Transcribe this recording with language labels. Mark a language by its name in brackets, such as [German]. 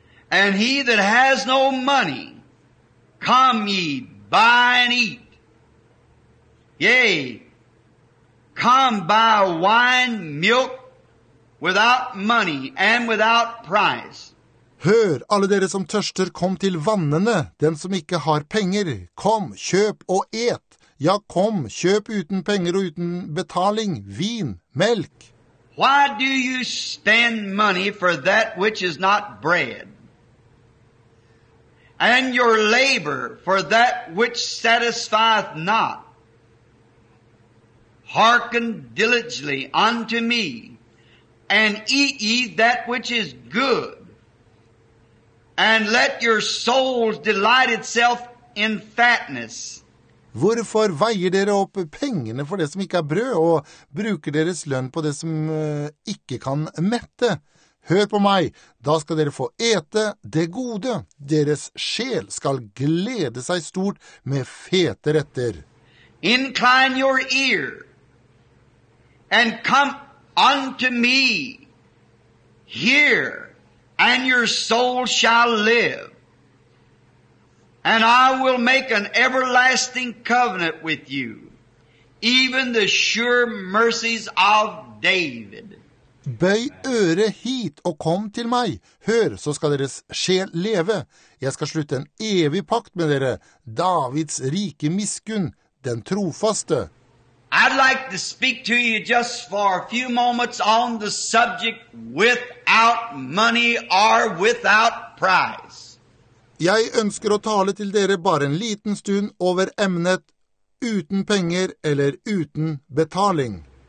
[English] And he that has no money, come ye buy and eat. Yea, come buy wine, milk, without money and without price. [Norwegian] Hør, alle dere som tørster, kom til vannene, den som ikke har penger, kom, kjøp og et. Ja, kom, kjøp uten penger og uten betaling, vin, melk. [English] Why do you spend money for that which is not bread? And your labor for that which satisfieth not. Hearken diligently unto me, and eat ye that which is good, and let your souls delight itself in fatness. [Norwegian] Hvorfor veier dere opp pengene for det som ikke brød, og bruker deres lønn på det som ikke kan mette? Hør på meg, da skal dere få ete det gode. Deres sjel skal glede seg stort med fete retter. [English] Incline your ear and come unto me here and your soul shall live. And I will make an everlasting covenant with you, even the sure mercies of David. [Norwegian] Bøy øret hit og kom til meg. Hør, så skal deres sjel leve. Jeg skal slutte en evig pakt med dere, Davids rike miskunn, den trofaste. [English] I'd like to speak to you just for a few moments on the subject without money or without price. [Norwegian] Jeg ønsker å tale til dere bare en liten stund over emnet uten penger eller uten betaling.